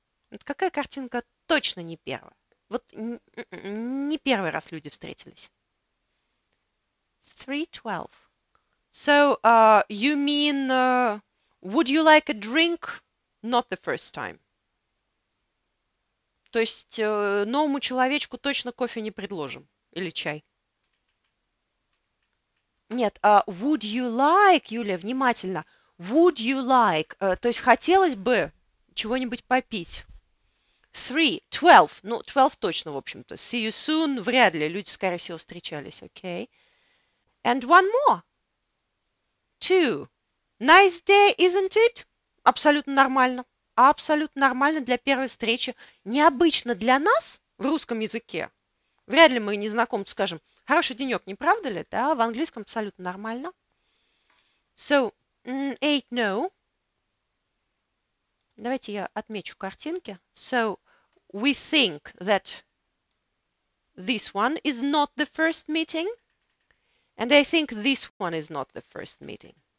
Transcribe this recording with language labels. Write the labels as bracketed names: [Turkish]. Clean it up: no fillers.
[Russian] Вот какая картинка точно не первая? Вот не первый раз люди встретились. 3:12. [English] So, you mean, would you like a drink? Not the first time. [Russian] То есть новому человечку точно кофе не предложим. Или чай. Нет, [English] would you like, [Russian] Юлия, внимательно. [English] Would you like, [Russian] то есть хотелось бы чего-нибудь попить. 3:12. Ну, 12 точно, в общем-то. [English] See you soon. [Russian] Вряд ли. Люди, скорее всего, встречались. [English] Okay. And one more. 2. Nice day, isn't it? [Russian] Абсолютно нормально. Абсолютно нормально для первой встречи. Необычно для нас в русском языке. Вряд ли мы незнакомцу скажем. Хороший денек, не правда ли? Да, в английском абсолютно нормально. [English] So, 8, no. [Russian] Давайте я отмечу картинки. [English] So, we think that this one is not the first meeting. And I think this one is not the first meeting.